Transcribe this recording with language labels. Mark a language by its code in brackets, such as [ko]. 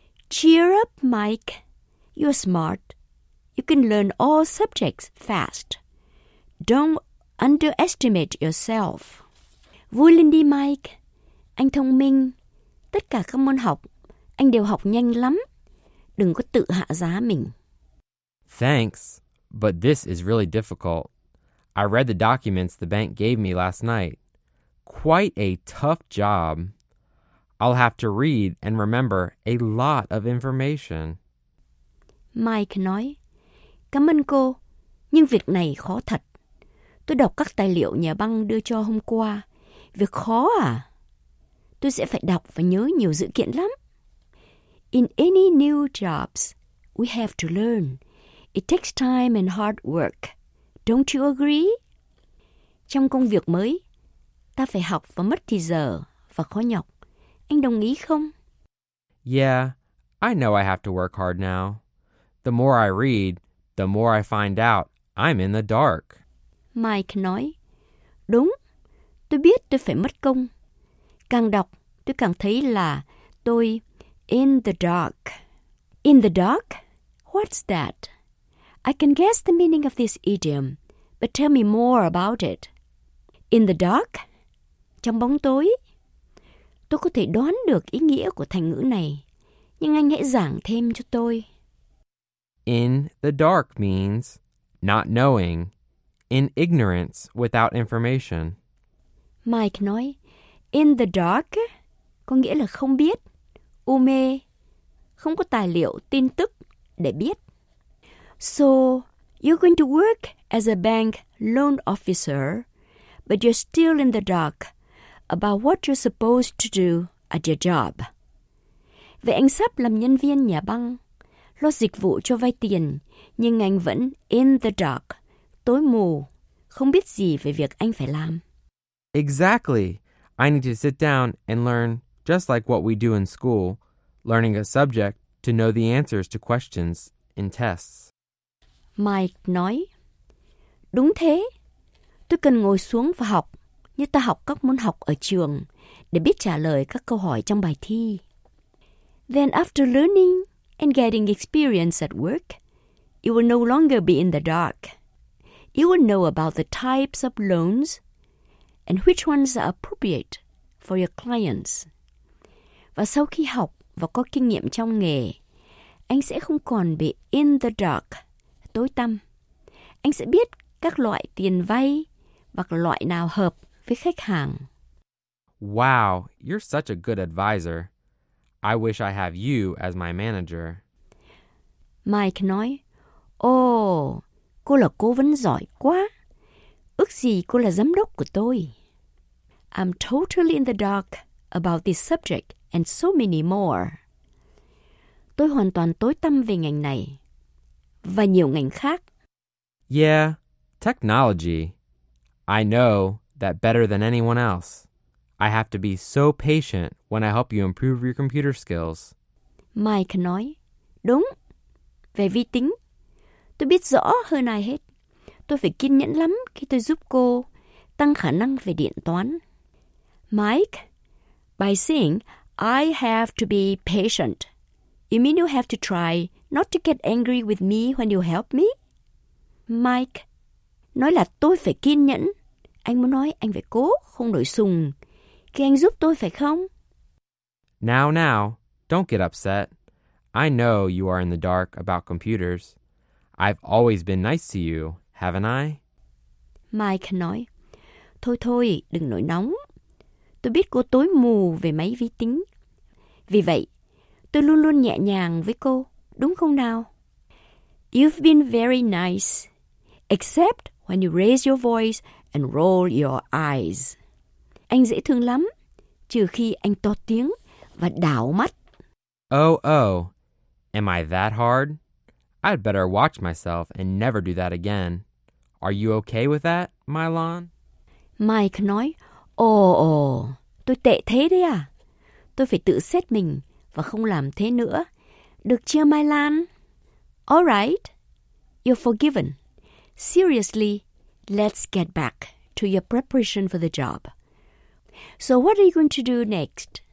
[en] Cheer up, Mike. You're smart. You can learn all subjects fast. Don't underestimate yourself. [vi] Vui lên đi, Mike. Anh thông minh. Tất cả các môn học, anh đều học nhanh lắm. Đừng có tự hạ giá mình. [en] Thanks. but this is really difficult. I read the documents the bank gave me last night. Quite a tough job. I'll have to read and remember a lot of information. [vi] Mike nói, cảm ơn cô, nhưng việc này khó thật. Tôi đọc các tài liệu nhà băng đưa cho hôm qua. Việc khó à? Tôi sẽ phải đọc và nhớ nhiều dữ kiện lắm. [en] In any new jobs, we have to learn. It takes time and hard work. Don't you agree? [vi] Trong công việc mới, ta phải học và mất thì giờ và khó nhọc. Anh đồng ý không? [en] Yeah, I know I have to work hard now. The more I read, the more I find out I'm in the dark. [vi] Mike nói, đúng, tôi biết tôi phải mất công. Càng đọc, tôi càng thấy là tôi [en] in the dark. In the dark? What's that? I can guess the meaning of this idiom, but tell me more about it. In the dark? [vi] Trong bóng tối? Tôi có thể đoán được ý nghĩa của thành ngữ này, nhưng anh hãy giảng thêm cho tôi. [en] In the dark means not knowing, in ignorance without information. [vi] Mike nói, [en] in the dark [vi] có nghĩa là không biết, u mê, không có tài liệu, tin tức để biết. [en] So, you're going to work as a bank loan officer, but you're still in the dark about what you're supposed to do at your job. [vi] Vậy anh sắp làm nhân viên nhà băng, lo dịch vụ cho vay tiền, nhưng anh vẫn [en] in the dark, [vi] tối mù, không biết gì về việc anh phải làm. [en] Exactly. I need to sit down and learn, just like what we do in school, learning a subject to know the answers to questions in tests. [vi] Mike nói, đúng thế, tôi cần ngồi xuống và học, như ta học các môn học ở trường, để biết trả lời các câu hỏi trong bài thi. [en] Then after learning and getting experience at work, you will no longer be in the dark. You will know about the types of loans and which ones are appropriate for your clients. [vi] Và sau khi học và có kinh nghiệm trong nghề, anh sẽ không còn bị [en] in the dark. [vi] Tối tăm. Anh sẽ biết các loại tiền vay và loại nào hợp với khách hàng. [en] Wow, you're such a good advisor. I wish I have you as my manager. [vi] Mike nói, cô là cố vấn giỏi quá. Ước gì cô là giám đốc của tôi. [en] I'm totally in the dark about this subject and so many more. [vi] Tôi hoàn toàn tối tăm về ngành này. Và nhiều ngành khác. [en] Yeah, technology. I know that better than anyone else. I have to be so patient when I help you improve your computer skills. [vi] Mike nói, đúng, về vi tính. Tôi biết rõ hơn ai hết. Tôi phải kiên nhẫn lắm khi tôi giúp cô tăng khả năng về điện toán. [en] Mike, by saying I have to be patient, you mean you have to try not to get angry with me when you help me? [vi] Mike, nói là tôi phải kiên nhẫn. Anh muốn nói anh phải cố, không nổi sùng. Khi anh giúp tôi phải không? [en] Now, don't get upset. I know you are in the dark about computers. I've always been nice to you, haven't I? [vi] Mike nói, thôi thôi, đừng nổi nóng. Tôi biết cô tối mù về máy vi tính. Vì vậy, tôi luôn luôn nhẹ nhàng với cô. Đúng không nào? [en] You've been very nice, except when you raise your voice and roll your eyes. [vi] Anh dễ thương lắm, trừ khi anh to tiếng và đảo mắt. [en] Oh, am I that hard? I'd better watch myself and never do that again. Are you okay with that, Mylon? [vi] Mike nói, Oh, tôi tệ thế đấy à. Tôi phải tự xét mình và không làm thế nữa. Được chưa, [en] Mai Lan? All right. You're forgiven. Seriously, let's get back to your preparation for the job. So what are you going to do next?